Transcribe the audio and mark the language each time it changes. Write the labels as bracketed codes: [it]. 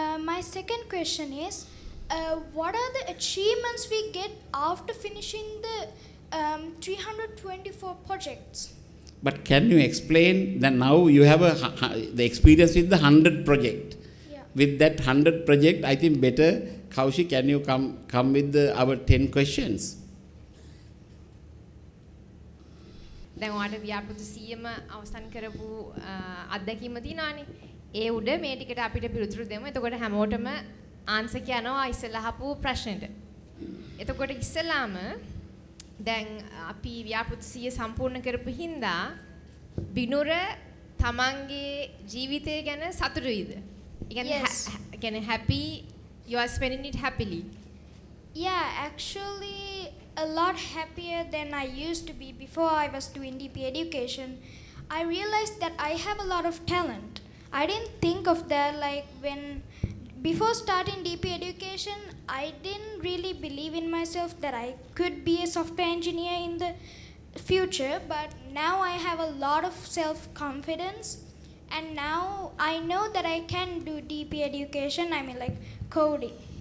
[en] My second question is, what are the achievements we get after finishing the 324 projects? But can you explain that now you have the experience with the 100 project? Yeah. With that 100 project, I think better, Kaushi, can you come with our 10 questions? [si] දැන් ඔයාලට ව්‍යාපෘති 100ම අවසන් කරපු අත්දැකීම තියනවානේ. ඒ උඩ මේ ටිකට අපිට පිළිතුරු දෙමු. එතකොට හැමෝටම ආන්සර් කියනවා ඉස්සෙල්ලා අහපු ප්‍රශ්නෙට. එතකොට ඉස්සෙල්ලාම දැන් අපි ව්‍යාපෘති 100 සම්පූර්ණ කරපු හින්දා විනුර තමන්ගේ ජීවිතය ගැන සතුටුයිද? يعني [en] happy, you are spending it happily. Yeah, actually a lot happier than I used to be before I was doing DP education. I realized that I have a lot of talent. I didn't think of that like when, before starting DP education, I didn't really believe in myself that I could be a software engineer in the future, but now I have a lot of self-confidence and now I know that I can do DP education, I mean like coding.